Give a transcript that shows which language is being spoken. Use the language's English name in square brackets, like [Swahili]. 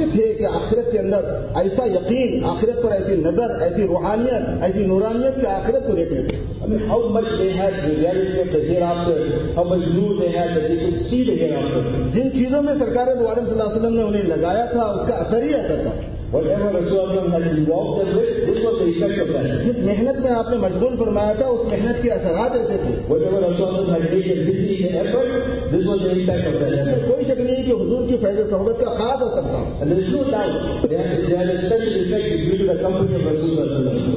[Urdu] تھے کہ آخرت کے اندر ایسا یقین, آخرت پر ایسی نظر, ایسی روحانیت, ایسی نورانیت کہ آخرت کو دیکھ لیتے. [English] How much they had the reality of the hereafter, how much zoom they had that they could see the hereafter. [Urdu] جن چیزوں میں سرکار دو عالم صلی اللہ علیہ وسلم نے انہیں لگایا تھا اس کا اثر ہی آتا تھا. [English] Whatever Rasulullah صلی اللہ علیہ وسلم had involved them with, this was the effect of that. [Urdu] جس محنت میں آپ نے مشغول فرمایا تھا اس محنت کے اثرات ایسے تھے. [English] Whatever Rasulullah صلی اللہ علیہ وسلم had taken with the effort, this was the impact of that. [Urdu] کوئی شک نہیں کہ حضور کی فیض و صحبت کا خاص اثر تھا. [English] And there is no doubt that they had a special effect due to the company of Rasulullah صلی اللہ علیہ وسلم.